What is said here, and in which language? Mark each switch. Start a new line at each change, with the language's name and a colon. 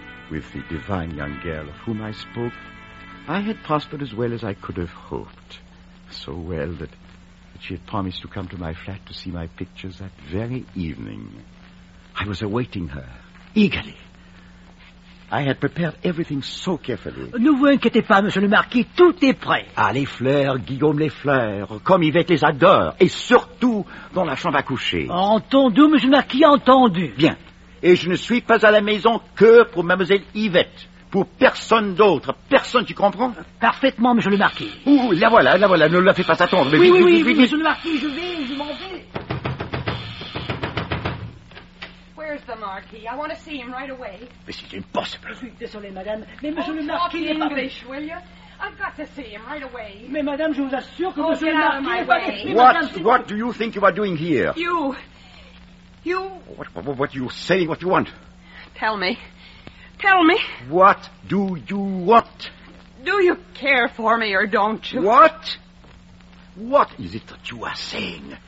English: With the divine young girl of whom I spoke, I had prospered as well as I could have hoped. So well that she had promised to come to my flat to see my pictures that very evening. I was awaiting her, eagerly. I had prepared everything so carefully.
French: Ne vous inquiétez pas, monsieur le marquis, tout est prêt. Ah, les fleurs, Guillaume, les fleurs, comme Yvette les adore, et surtout dans la chambre à coucher. Entendu, monsieur le marquis, entendu. Bien, et je ne suis pas à la maison que pour mademoiselle Yvette, pour personne d'autre, personne, tu comprends? Parfaitement, monsieur le marquis. Ouh, la voilà, ne la fais pas attendre. Mais oui, monsieur le marquis, je m'en vais.
English: Where's the Marquis? I want to see him right away.
French: Mais c'est impossible. Je suis désolée, madame. Mais monsieur le Marquis n'est pas...
English: Talk English, will you? I've got to see him right away.
French: Mais madame, je vous assure que monsieur le Marquis n'est pas...
English: What do you think you are doing here? You... What are you saying? What do you want? Tell me. What do you want? Do you care for me or don't you? What? What is it that you are saying?